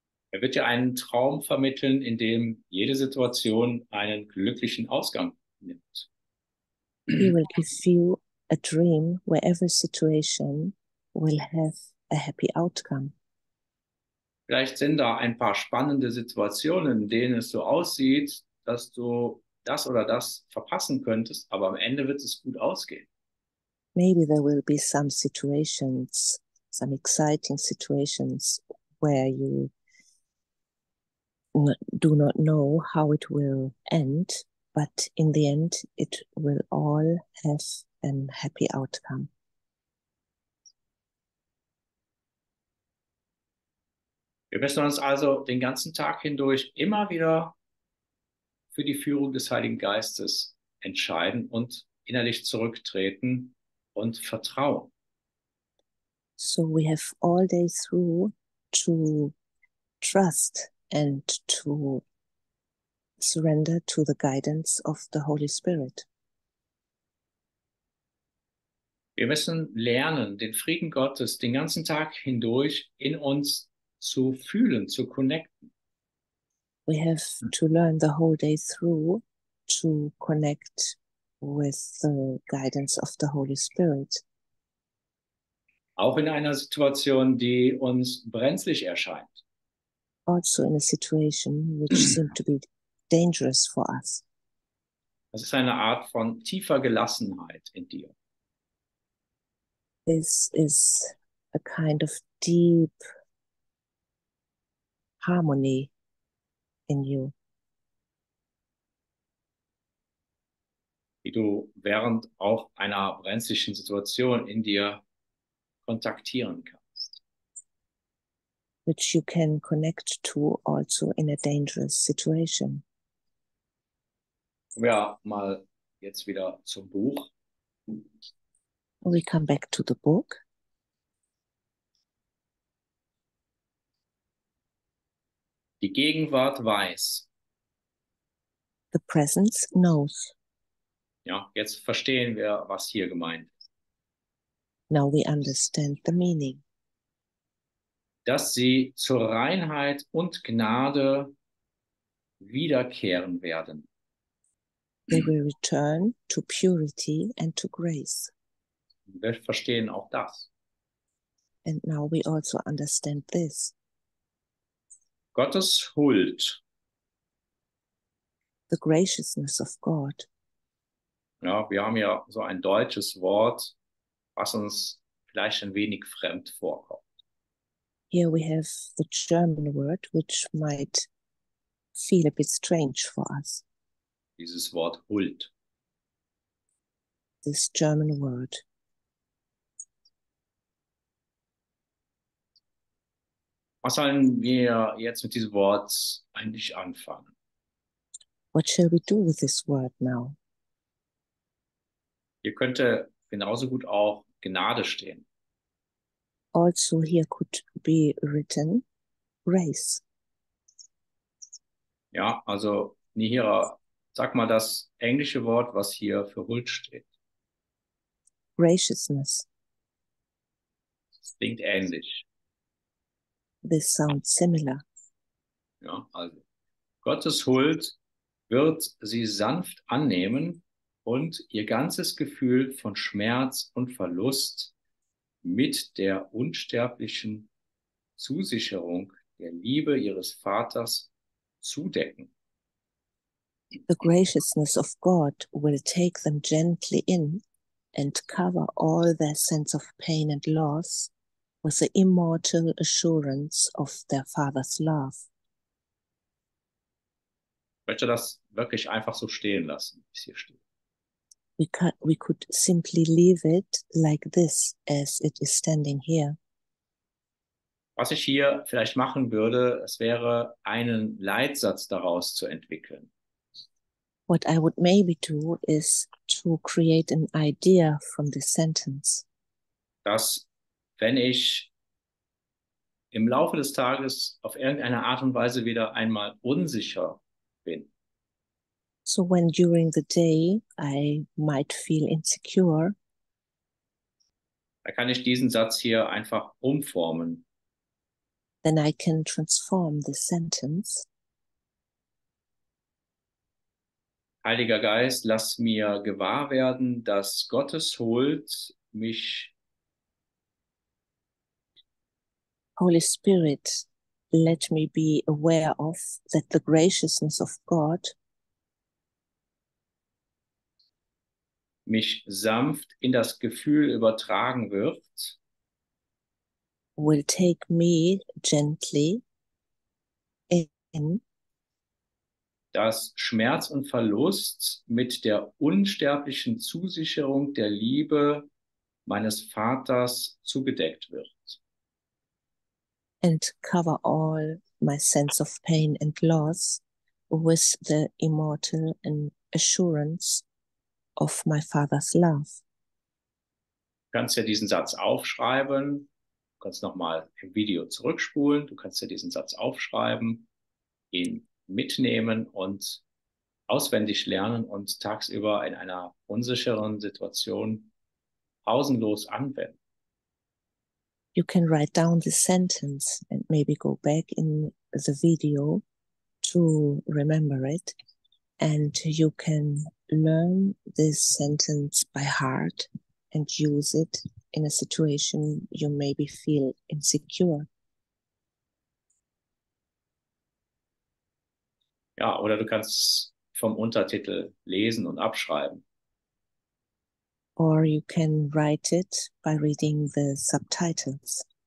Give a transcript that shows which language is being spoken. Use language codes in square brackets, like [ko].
[de] Er wird dir einen Traum vermitteln, in dem jede Situation einen glücklichen Ausgang nimmt. [en] He will give you a dream where every situation will have a happy outcome. [de] Vielleicht sind da ein paar spannende Situationen, in denen es so aussieht, dass du das oder das verpassen könntest, aber am Ende wird es gut ausgehen. [en] Maybe there will be some situations, some exciting situations, where you do not know how it will end, but in the end it will all have a happy outcome. [de] Wir müssen uns also den ganzen Tag hindurch immer wieder für die Führung des Heiligen Geistes entscheiden und innerlich zurücktreten und vertrauen. [en] So we have all day through to trust and to surrender to the guidance of the Holy Spirit. [de] Wir müssen lernen, den Frieden Gottes den ganzen Tag hindurch in uns zu fühlen, zu connecten. [en] We have to learn the whole day through to connect with the guidance of the Holy Spirit. [de] Auch in einer Situation, die uns brenzlig erscheint. [en] Also in a situation which seemed to be dangerous for us. [de] Das ist eine Art von tiefer Gelassenheit in dir. [en] This is a kind of deep harmony in you. [de] Wie du während auch einer brenzlichen Situation in dir kontaktieren kannst. [en] Which you can connect to also in a dangerous situation. [de] Ja, mal jetzt wieder zum Buch. [en] We come back to the book. [de] Die Gegenwart weiß. [en] The presence knows. [de] Ja, jetzt verstehen wir, was hier gemeint ist. [en] Now we understand the meaning. [de] Dass sie zur Reinheit und Gnade wiederkehren werden. [en] They will return to purity and to grace. [de] Wir verstehen auch das. [en] And now we also understand this. [de] Gottes Huld. [en] The graciousness of God. [de] Ja, wir haben ja so ein deutsches Wort, was uns vielleicht ein wenig fremd vorkommt. [en] Here we have the German word, which might feel a bit strange for us. [de] Dieses Wort Huld. [en] This German word. [de] Was sollen wir jetzt mit diesem Wort eigentlich anfangen? [en] What shall we do with this word now? [de] Hier könnte genauso gut auch Gnade stehen. [en] Also here could be written grace. [de] Ja, also Nihira, sag mal das englische Wort, was hier für Huld steht. [en] Graciousness. [de] Das klingt ähnlich. [en] This sounds similar. [de] Ja, also Gottes Huld wird sie sanft annehmen und ihr ganzes Gefühl von Schmerz und Verlust mit der unsterblichen Zusicherung der Liebe ihres Vaters zudecken. [en] The graciousness of God will take them gently in and cover all their sense of pain and loss with the immortal assurance of their father's love. [de] Ich möchte das wirklich einfach so stehen lassen, wie es hier steht. [en] We could simply leave it like this, as it is standing here. [de] Was ich hier vielleicht machen würde, es wäre, einen Leitsatz daraus zu entwickeln. [en] What I would maybe do is to create an idea from this sentence. [de] Dass, wenn ich im Laufe des Tages auf irgendeine Art und Weise wieder einmal unsicher bin. [en] So when during the day I might feel insecure, [de] da kann ich diesen Satz hier einfach umformen. [en] Then I can transform this sentence. [de] Heiliger Geist, lass mir gewahr werden, dass Gottes Huld mich. [en] Holy Spirit, let me be aware of that the graciousness of God [de] mich sanft in das Gefühl übertragen wird, [en] will take me gently in, [de] dass Schmerz und Verlust mit der unsterblichen Zusicherung der Liebe meines Vaters zugedeckt wird. [en] And cover all my sense of pain and loss with the immortal and assurance of my father's love. [de] Du kannst ja diesen Satz aufschreiben. Du kannst nochmal im Video zurückspulen. Du kannst ja diesen Satz aufschreiben, ihn mitnehmen und auswendig lernen und tagsüber in einer unsicheren Situation pausenlos anwenden. [en] You can write down the sentence and maybe go back in the video to remember it. And you can learn this sentence by heart and use it in a situation you maybe feel insecure. [de] Ja, oder du kannst vom Untertitel lesen und abschreiben. [en] Or you can write it by reading the subtitles.